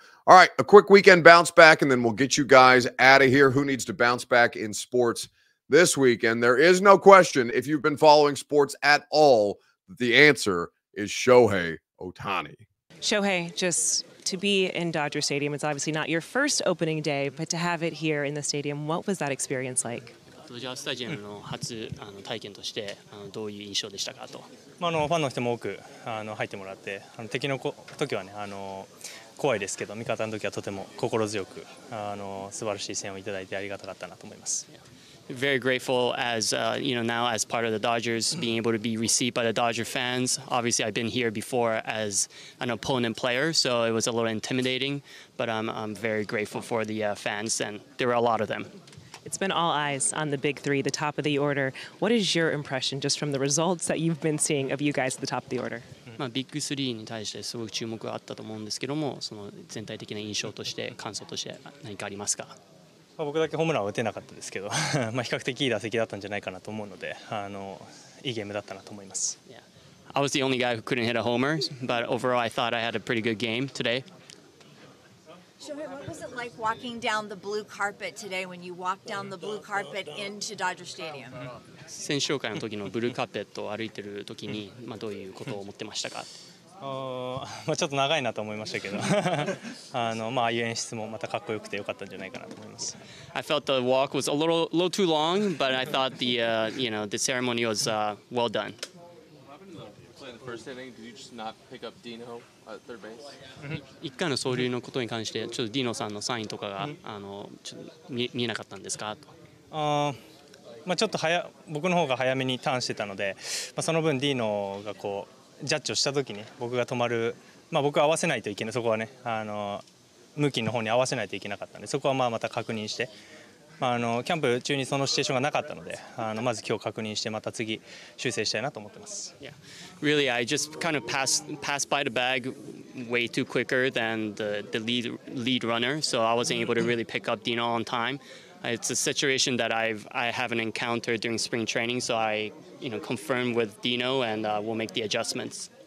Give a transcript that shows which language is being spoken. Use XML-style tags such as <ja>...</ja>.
<en>All right, a quick weekend bounce back, and then we'll get you guys out of here. Who needs to bounce back in sports this weekend? There is no question, if you've been following sports at all, the answer is Shohei Ohtani. Shohei, just to be in Dodger Stadium, it's obviously not your first opening day, but to have it here in the stadium, what was that experience like?</en> <ja>ドジャースタジアムの初体験としてどういう印象でしたかと。ファンの人も多く入ってもらって、敵の時はね、怖いですけど、味方の時はとても心強く素晴らしい声援をいただいてありがたかったなと思います。</ja> <en>Very grateful as now as part of the Dodgers, being able to be received by the Dodger fans. Obviously, I've been here before as an opponent player, so it was a little intimidating. But I'm very grateful for the fans, and there were a lot of them. It's been all eyes on the big three, the top of the order. What is your impression just from the results that you've been seeing of you guys at the top of the order?</en> <ja>ビッグスリーに対してすごく注目があったと思うんですけども、その全体的な印象として、感想として何かありますか？僕だけホームランは打てなかったですけど、まあ比較的いい打席だったんじゃないかなと思うので、いいゲームだったなと思います。</ja> <en>Yeah. I was the only guy who couldn't hit a homer, but overall I thought I had a pretty good game today. Shohei, what was it like walking down the blue carpet today when you walked down the blue carpet into Dodger Stadium?</en> <ja>選手紹介の時のブルーカーペットを歩いてる時に、まあどういうことを思ってましたか？まあ、ちょっと長いなと思いましたけど、まあ、演出もまたかっこよくてよかったんじゃないかなと思います。</ja> <en>I felt the walk was a little too long, but I thought the, the ceremony was well done. What happened in the first inning? Did you just not pick up Dino at third base?</en> <ja>1回の走塁のことに関して、ちょっとディノさんのサインとかが見えなかったんですか？と。まあ、ちょっと早僕の方が早めにターンしてたので、まあ、その分ディーノがこうジャッジをした時に僕が止まる、まあ、僕は合わせないといけないそこはね向きの方に合わせないといけなかったのでそこは また確認して、まあ、キャンプ中にそのシチュエーションがなかったのでまず今日確認してまた次修正したいなと思ってます。</ja> <en>Yeah. Really, I just kind of passed by the bag way too quicker than the lead runner, so I wasn't able to really pick up Dino on time. It's a situation that I haven't encountered during spring training, so I, confirm with Dino and we'll make the adjustments.</en>